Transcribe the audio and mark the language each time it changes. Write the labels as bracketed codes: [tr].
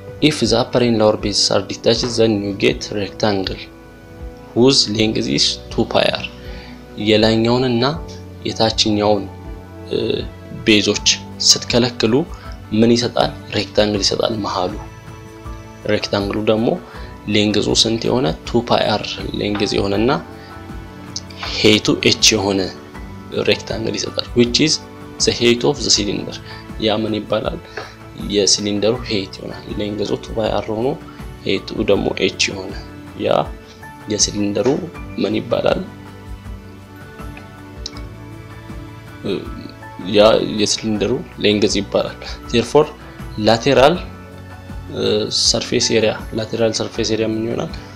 [en] if the upper and lower bases are detached then you get rectangle whose length is 2 pi r [am] የላይኛውንና የታችኛውን ቤዞች ስትከለክሉ ምን ይሰጣል? rectangle ይሰጣል መሃሉ። rectangle ደግሞ ሌንግዙ ስንት የሆነ 2 pi r ሌንግዝ የሆነና height h የሆነ rectangle ይሰጣል [en] which is the height of the cylinder [am] ያ ምን ይባላል? የሲሊንደሩ height ይሆናል። ሌንግዙ 2 pi r ሆኖ height ደግሞ h የሆነ ያ የሲሊንደሩ ምን ይባላል? ያ የሲሊንደሩ ሌንግዝ ይባላል። therefore lateral surface area lateral surface area ምን ይሆናል?